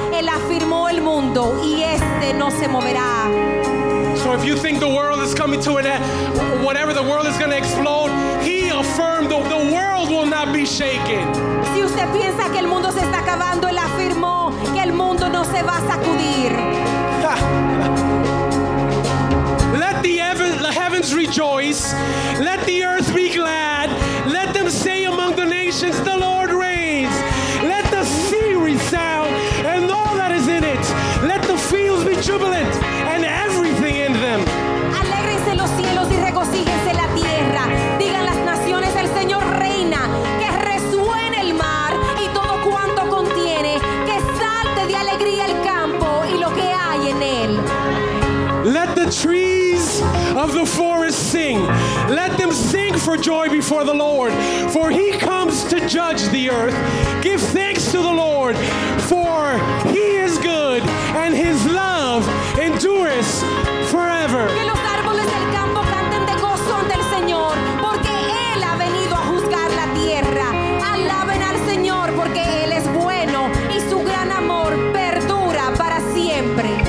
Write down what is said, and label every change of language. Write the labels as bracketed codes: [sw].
[es] Él afirmó el mundo y este no se moverá. [en] So if you think the world is coming to an end, whatever, the world is going to explode, he affirmed the world will not be shaken. [es] Si usted piensa que el mundo se está acabando, él afirmó que el mundo no se va a sacudir. [en] Let the heavens rejoice, let the earth be glad, let them say among the nations, the Lord reigns. Let the sea resound and all that is in it, let the fields be jubilant and everything in them. [es] Alégrense los cielos y regocíjense la tierra, digan las naciones, el Señor reina. Que resuene el mar y todo cuanto contiene, que salte de alegría el campo y lo que hay en él. [en] Let the trees of the forest sing. Let them sing for joy before the Lord, for he comes to judge the earth. Give thanks to the Lord, for he is good, and his love endures forever. [es] Que los árboles del campo canten de gozo ante el Señor, porque él ha venido a juzgar la tierra. Alaben al Señor, porque él es bueno, y su gran amor perdura para siempre.